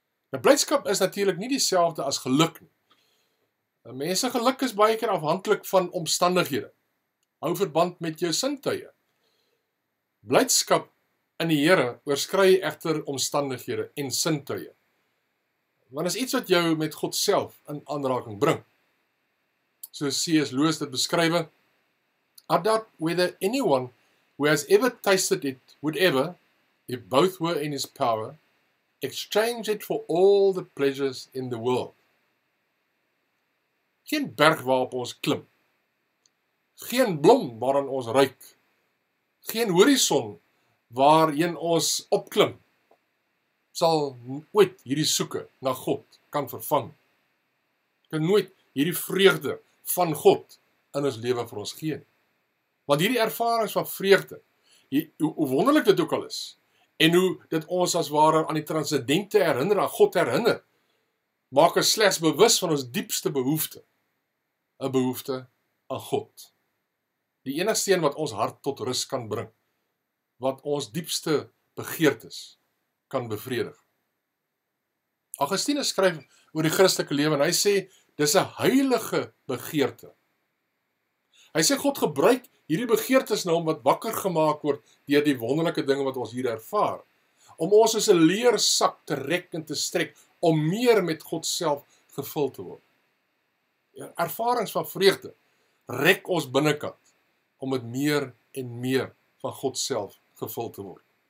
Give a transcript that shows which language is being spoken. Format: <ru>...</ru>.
<af>Nou, blydskap is natuurlik nie dieselfde as geluk nie. Mense geluk is baie keer afhanklik van omstandighede. Hou verband met jou sintuie. Blydskap in die Here oorskry egter omstandighede en sintuie. Want is iets wat jou met God self in aanraking bring. Soos C.S.</af> <en>Lewis</en> <af>dit beskryf,</af> <en>"I doubt whether anyone who has ever tasted it would ever, if both were in his power, exchange it for all the pleasures in the world."</en> <af>Geen berg waarop ons klim. Geen blom waaraan ons ruik. Geen horison waarheen ons opklim sal ooit hierdie soeke na God kan vervang. Kan nooit hierdie vreugde van God in ons lewe vir ons gee. Want hierdie ervarings van vreugde, hoe wonderlik dit ook al is, en hoe dit ons as ware aan die transcendente herinner, aan God herinner, maak ons slegs bewus van ons diepste behoefte. 'n Behoefte aan God. Die enigste een wat ons hart tot rus kan bring, wat ons diepste begeertes kan bevredig. Augustinus skryf oor die Christelike lewe en hy sê, dis 'n heilige begeerte. Hy sê, God gebruik hierdie begeertes nou om wat wakker gemaak word deur die wonderlike dinge wat ons hier ervaar, om ons as 'n leersak te rek en te strek, om meer met God self gevul te word. Ervarings van vreugde rek ons binnekant om met meer en meer van God self gevul te word.</af>